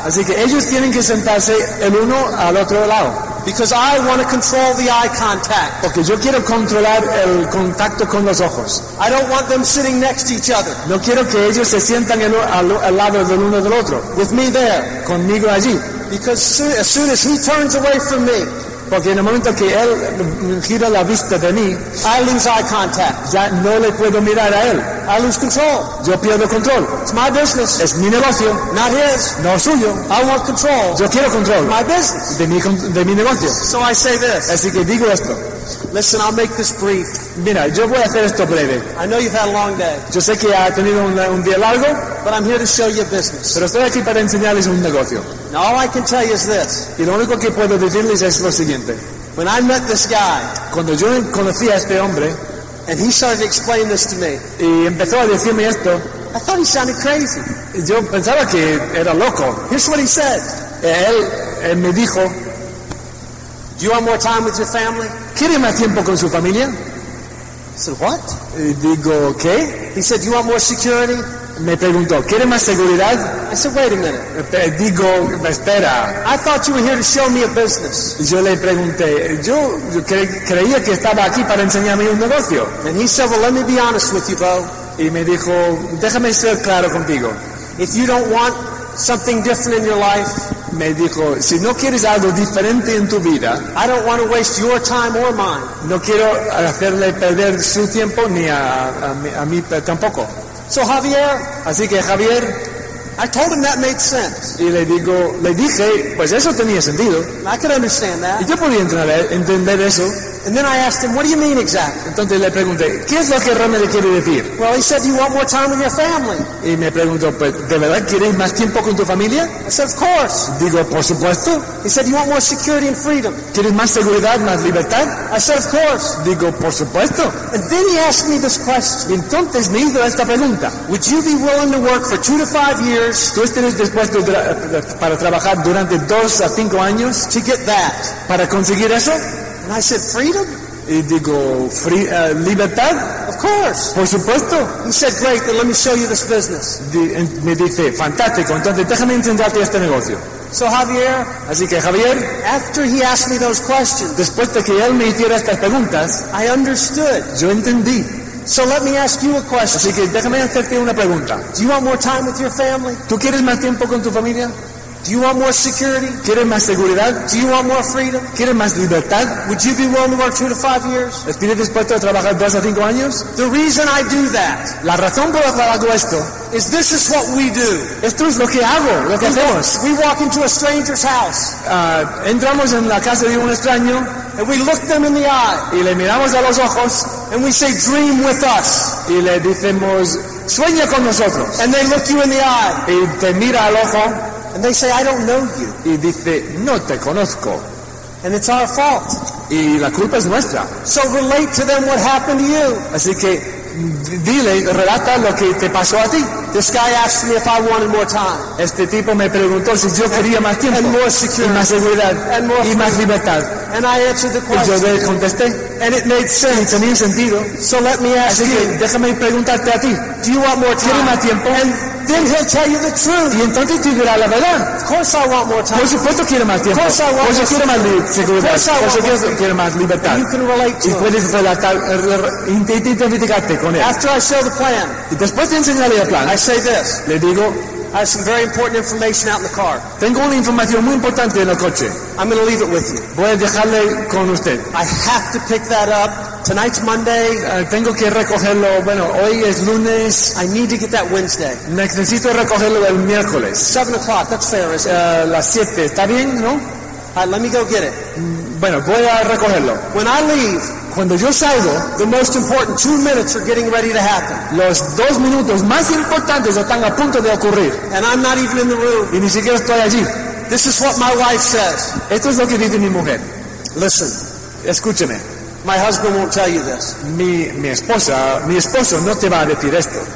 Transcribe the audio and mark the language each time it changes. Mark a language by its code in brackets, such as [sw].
[es] Así que ellos tienen que sentarse el uno al otro lado. [en] Because I want to control the eye contact. [es] Porque yo quiero controlar el contacto con los ojos. [en] I don't want them sitting next to each other. [es] No quiero que ellos se sientan al lado del uno del otro. [en] With me there. [es] Conmigo allí. [en] Because as soon as he turns away from me, [es] porque en el momento que él gira la vista de mí, [en] I lose eye contact. [es] Ya no le puedo mirar a él. [en] I lose control. [es] Yo pierdo control. [en] It's my business. [es] Es mi negocio. [en] Not his. [es] No suyo. [en] I want control. [es] Yo quiero control. [en] My business. [es] De mi negocio. [en] So I say this. [es] Así que digo esto. [en] Listen, I'll make this brief. [es] Mira, yo voy a hacer esto breve. [en] I know you've had a long day. [es] Yo sé que ha tenido un día largo. [en] But I'm here to show you a business. [es] Pero estoy aquí para enseñarles un negocio. [en] Now all I can tell you is this. [es] Y lo único que puedo decirles es lo siguiente. [en] When I met this guy. [es] Cuando yo conocí a este hombre. [en] And he started to explain this to me. [es] Y empezó a decirme esto. [en] I thought he sounded crazy. [es] Yo pensaba que era loco. [en] Here's what he said. [es] Él me dijo, [en] "Do you want more time with your family?" [es] ¿Quiere más tiempo con su familia? [en] I said, "What?" [es] Digo, ¿qué? [en] He said, "Do you want more security?" [es] Me preguntó, ¿quiere más seguridad? [en] I said, "Wait a minute." [es] Digo, espera. [en] I thought you were here to show me a business. [es] Yo le pregunté, yo creía que estaba aquí para enseñarme un negocio. [en] And he said, "Well, let me be honest with you, Bo." [es] Y me dijo, déjame ser claro contigo. [en] If you don't want something different in your life, [es] me dijo, si no quieres algo diferente en tu vida, [en] I don't want to waste your time or mine. [es] No quiero hacerle perder su tiempo ni a mí tampoco. [en] So Javier, [es] así que Javier, [en] I told him that made sense. [es] Y le dije, pues eso tenía sentido. [en] I could understand that. [es] Y yo podía entender eso. [en] And then I asked him, "What do you mean exactly?" [es] Entonces le pregunté, ¿qué es lo que realmente quiere decir? [en] Well, he said, "You want more time with your family." [es] Y me preguntó, pues, ¿de verdad quieres más tiempo con tu familia? [en] I said, "Of course." [es] Digo, por supuesto. [en] He said, "You want more security and freedom." [es] ¿Quieres más seguridad, más libertad? [en] I said, "Of course." [es] Digo, por supuesto. [en] And then he asked me this question. [es] Y entonces me hizo esta pregunta. [en] Would you be willing to work for 2 to 5 years? [es] ¿Tú estarías dispuesto para trabajar durante 2 a 5 años? [en] To get that. [es] Para conseguir eso. [en] And I said, "Freedom?" [es] Y digo, libertad? [en] Of course. [es] Por supuesto. [en] He said, "Great, then let me show you this business." [es] Me dice, fantástico, entonces déjame enseñarte este negocio. [en] So Javier, [es] así que Javier, [en] after he asked me those questions, [es] después de que él me hiciera estas preguntas, [en] I understood. [es] Yo entendí. [en] So let me ask you a question. [es] Así que déjame hacerte una pregunta. [en] Do you want more time with your family? [es] ¿Tú quieres más tiempo con tu familia? [en] Do you want more security? [es] ¿Quieres más seguridad? [en] Do you want more freedom? [es] ¿Quieres más libertad? [en] Would you be willing to work 2 to 5 years? [es] ¿Estarías dispuesto a trabajar 2 a 5 años? [en] The reason I do that. [es] La razón por la cual hago esto. [en] Is this is what we do? [es] Esto es lo que hago, lo que hacemos. [en] We walk into a stranger's house. [es] Entramos en la casa de un extraño. [en] And we look them in the eye. [es] Y le miramos a los ojos. [en] And we say, "Dream with us." [es] Y le decimos, sueña con nosotros. [en] And they look you in the eye. [es] Y te mira al ojo. [en] And they say, "I don't know you." [es] Y dice, "No te conozco." [en] And it's our fault. [es] Y la culpa es nuestra. [en] So relate to them what happened to you. [es] Así que dile, relata lo que te pasó a ti. [en] This guy asked me if I wanted more time. [es] Este tipo me preguntó si yo quería más tiempo. [en] And more security. [es] Y más seguridad. [en] And more [es] y más libertad. [en] And I answered the question. [es] Y yo le contesté. [en] And it made sense. [es] Y tenía sentido. [en] So let me ask [es] así [en] you. [es] Que déjame preguntarte a ti. [en] Do you want more time? [es] ¿Quieres más tiempo? [en] And then he'll tell you the truth. [es] Y entonces te dirá la verdad. [en] Of course I want more time. [es] Por supuesto quiero más tiempo. [en] Of course I want [es] por supuesto [en] more [es] quiero más seguridad. [en] Of course I [es] por supuesto [en] want more [es] quiero más libertad. [en] And you can relate to [es] y puedes relatar, identificarte con él. [en] After I show the plan, [es] y después de enseñarle el plan, [en] I say this. [es] Le digo, [en] I have some very important information out in the car. [es] Tengo una información muy importante en el coche. [en] I'm going to leave it with you. [es] Voy a dejarle con usted. [en] I have to pick that up. Tonight's Monday. [es] Tengo que recogerlo. Bueno, hoy es lunes. [en] I need to get that Wednesday. [es] Necesito recogerlo el miércoles. [en] 7 o'clock. That's fair, isn't it? [es] Las 7. ¿Está bien, no? [en] All right, let me go get it. [es] Bueno, voy a recogerlo. [en] When I leave, [es] cuando yo salgo, [en] the most important 2 minutes are getting ready to happen. [es] Los 2 minutos más importantes están a punto de ocurrir. [en] And I'm not even in the room. [es] Y ni siquiera estoy allí. [en] This is what my wife says. [es] Esto es lo que dice mi mujer. [en] Listen. [es] Escúcheme. [en] My husband won't tell you this. [es] Mi esposo no te va a decir esto.